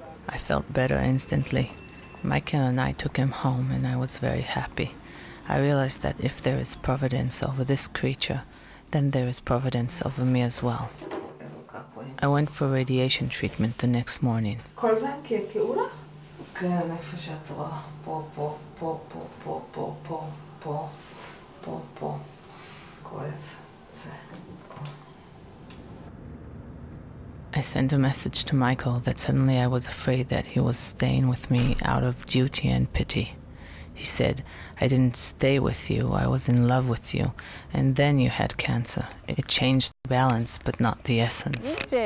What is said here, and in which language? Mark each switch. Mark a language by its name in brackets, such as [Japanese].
[English] I felt better instantly. Michael and I took him home and I was very happy. I realized that if there is providence over this creature, then there is providence over me as well. I went for radiation treatment the next morning. [Hebrew] כן, איפה שאת רואה, פה, כואב, זה. [English] I sent a message to Michael that suddenly I was afraid that he was staying with me out of duty and pity. He said, I didn't stay with you, I was in love with you, and then you had cancer. It changed the balance, but not the essence.